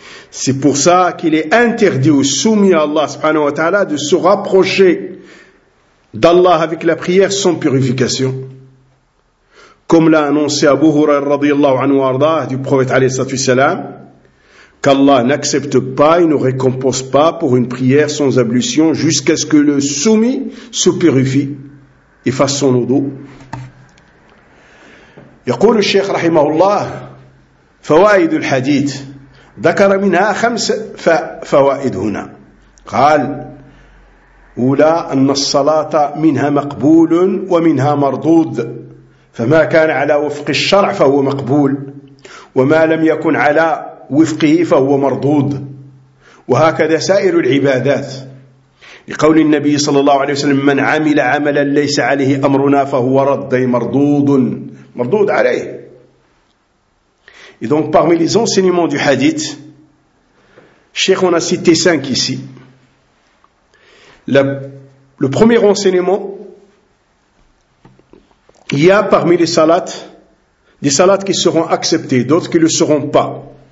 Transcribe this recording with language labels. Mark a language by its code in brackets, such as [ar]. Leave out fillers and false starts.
[fr] C'est pour ça qu'il est interdit au soumis à Allah subhanahu wa ta'ala de se rapprocher d'Allah avec la prière sans purification, comme l'a annoncé Abu Hurayra radiyallahu anhu arda du prophète alayhi salatu wassalam, qu'Allah n'accepte pas et ne récompense pas pour une prière sans ablution jusqu'à ce que le soumis se purifie et fasse son wudu. [ar] يقول الشيخ رحمه الله فوائد الحديث ذكر منها خمس فوائد هنا. قال أولى أن الصلاة منها مقبول ومنها مردود، فما كان على وفق الشرع فهو مقبول، وما لم يكن على وفقه فهو مردود، وهكذا سائر العبادات، لقول النبي صلى الله عليه وسلم من عمل عملا ليس عليه أمرنا فهو رد مردود مردود عليه. [fr] Et donc parmi les enseignements du hadith, Cheikh en a cité 5 ici. Le premier enseignement, il y a parmi les salats des salats qui seront acceptées, d'autres qui ne le seront pas.